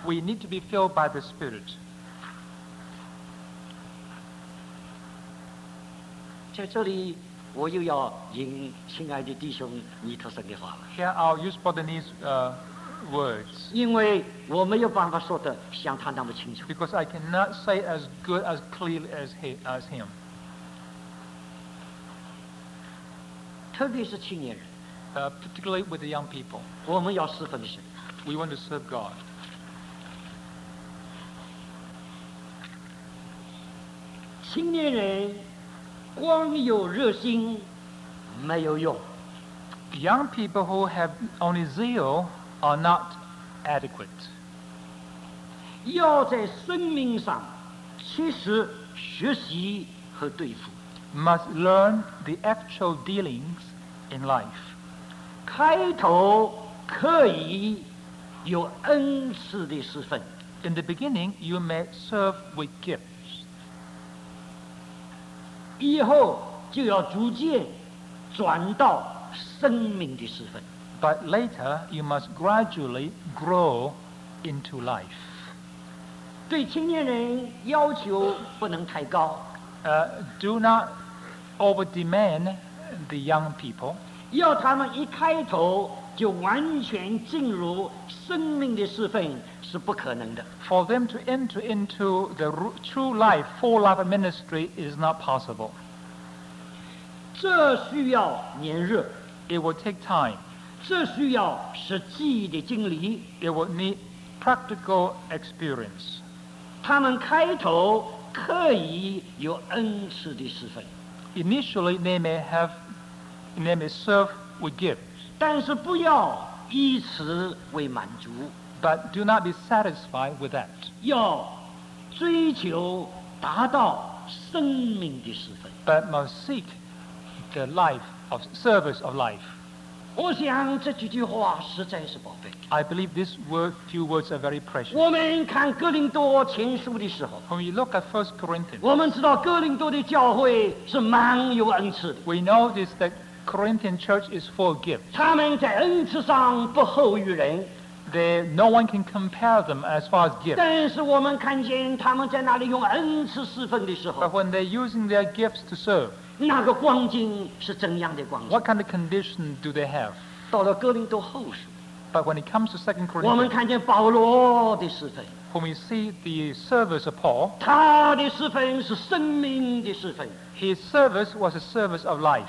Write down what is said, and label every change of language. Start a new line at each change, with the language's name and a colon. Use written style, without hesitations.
English: we need to be filled by the spirit
Chinese: 在这里我又要引亲爱的弟兄尼特森的话了
English: here I'll use Brother Nee's words
Chinese: 因为我没有办法说得像他那么清楚
English: because I cannot say as good as clearly as him particularly with the young people
Chinese: 我们要侍奉神
English: we want to serve God
Chinese: 青年人光有热心没有用
English: young people who have only zeal are not adequate
Chinese: 要在生命上切实学习和对付
English: must learn the actual dealingsin life
Chinese: 开头可以有恩赐的侍奉
English: in the beginning you may serve with gifts
Chinese: 以后就要逐渐转到生命的侍奉
English: but later you must gradually grow into life
Chinese: 对青年人要求不能太高
English: do not over demand the young people
Chinese: 要他们一开头就完全进入生命的侍奉是不可能的。
English: For them to enter into the true life, full life ministry is not possible.
Chinese: 这需要年日。
English: It will take time.
Chinese: 这需要实际的经历。
English: It will need practical experience.
Chinese: 他们开头可以有恩赐的侍奉。
English: initially they may serve with gifts.
Chinese: 但是不要以此为满足。
English: But do not be satisfied with that.
Chinese: 要追求达到生命的侍奉。
English: But must seek the life of service of life.
Chinese: 我想这几句话实在是宝贝。
English: I believe these few words are very precious.
Chinese: 我们看哥林多前书的时候。
English: When we look at 1 Corinthians.
Chinese: 我们知道哥林多的教会是满有恩赐的。
English: We know this that Corinthian church is full of gifts.
Chinese: 他们在恩赐上不后于人。
English: No one can compare them as far as gifts.
Chinese: 但是我们看见他们在那里用恩赐侍奉的时候。
English: But when they're using their gifts to serve.
Chinese: 那个光景是怎样的光景？
English: What kind of condition do they have?
Chinese: 到了哥林多后书。
English: But when it comes to 2 Corinthians.
Chinese: 我们看见保罗的侍奉。
English: When we see the service of Paul.
Chinese: 他的侍奉是生命的侍奉。
English: His service was a service of life.